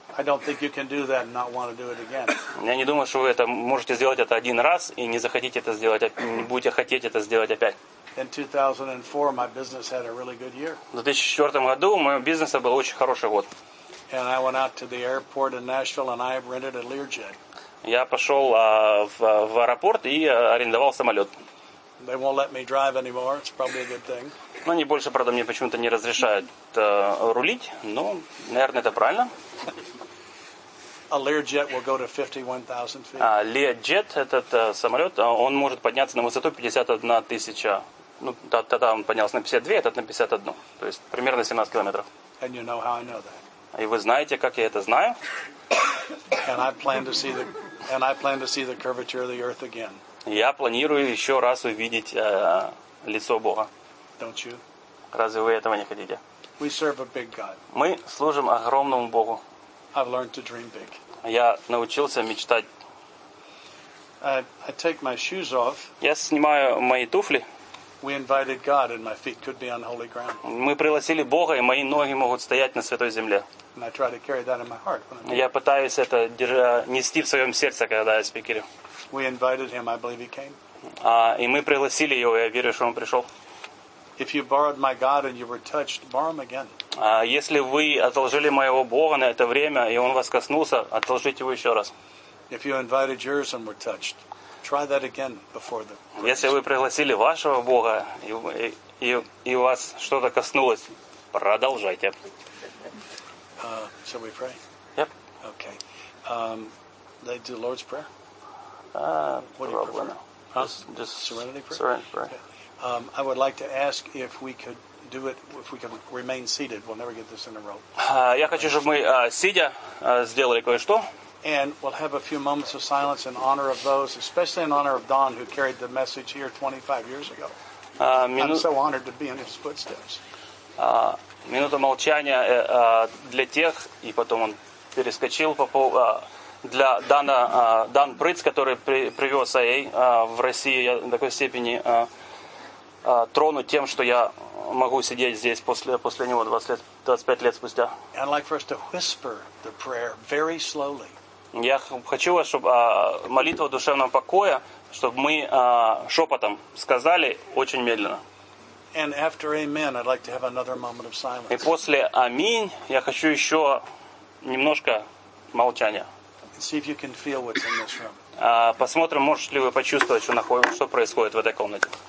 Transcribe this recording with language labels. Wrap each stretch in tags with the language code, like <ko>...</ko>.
<en>I don't think you can do that and not want to do it again.</en> <ru>Я не думаю, что вы это можете сделать это один раз и не захотите это сделать, не будете хотеть это сделать опять.</ru> <en>In 2004, my business had a really good year.</en> <ru>В 2004 году у моего бизнеса был очень хороший год.</ru> <en>And I went out to the airport in Nashville and I rented a Learjet.</en> <ru>Я пошел в аэропорт и арендовал самолет.</ru> <en>They won't let me drive anymore. It's probably a good thing.</en> <ru>Ну, они больше, правда, мне почему-то не разрешают рулить, но, наверное, это правильно.</ru> <en>A Learjet will go to 51,000 feet.</en> <ru>Learjet, этот самолет, он может подняться на высоту 51 тысяча. Ну, тогда он поднялся на 52, этот на 51. То есть, примерно 17 километров.</ru> <en>And you know how I know that.</en> <ru>И вы знаете, как я это знаю.</ru> <en>And I plan to see the curvature of the earth again.</en> <ru>Я планирую еще раз увидеть лицо Бога.</ru> <en>Don't you?</en> <ru>Разве вы этого не хотите?</ru> <en>We serve a big God.</en> <ru>Мы служим огромному Богу.</ru> <en>I've learned to dream big.</en> <ru>Я научился мечтать.</ru> <en>I take my shoes off.</en> <ru>Я снимаю мои туфли.</ru> <en>We invited God, and my feet could be on holy ground.</en> <ru>Мы пригласили Бога, и мои ноги могут стоять на святой земле.</ru> <en>And I try to carry that in my heart.</en> <ru>Я пытаюсь это нести в своем сердце, когда я спикерю.</ru> <en>We invited him. I believe he came.</en> <ru>И мы пригласили его. Я верю, что он пришел.</ru> <en>If you borrowed my God and you were touched, borrow him again.</en> <ru>Если вы одолжили моего Бога на это время и он вас коснулся, одолжите его еще раз.</ru> <en>If you invited yours and were touched. Try that again before the.</en> <ru>Если вы пригласили вашего Бога и у вас что-то коснулось, продолжайте.</ru> <en>Shall we pray? Yep. Okay. Let's do Lord's Prayer. What do you prefer? Just Serenity Prayer. Serenity Prayer. Okay. I would like to ask if we could do it if we can remain seated. We'll never get this in a row.</en> <ru>Я хочу, чтобы мы сидя сделали кое-что.</ru> <en>And we'll have a few moments of silence in honor of those, especially in honor of Don, who carried the message here 25 years ago. I'm so honored to be in his footsteps.</en> <ru>Минута молчания для тех, и потом он перескочил для Дана Дан Прыц, который привез АЭ в Россию, я до такой степени тронут тем, что я могу сидеть здесь после него 25 лет спустя.</ru> <en>I'd like for us to whisper the prayer very slowly.</en> <ru>Я хочу вас, чтобы молитва душевного покоя, чтобы мы шепотом сказали очень медленно.</ru> <en>And after amen, I'd like to have another moment of silence.</en> <ru>И после аминь я хочу еще немножко молчания.</ru> <en>See if you can feel what's in this room.</en> <ru>Посмотрим, можете ли вы почувствовать, что происходит в этой комнате.</ru>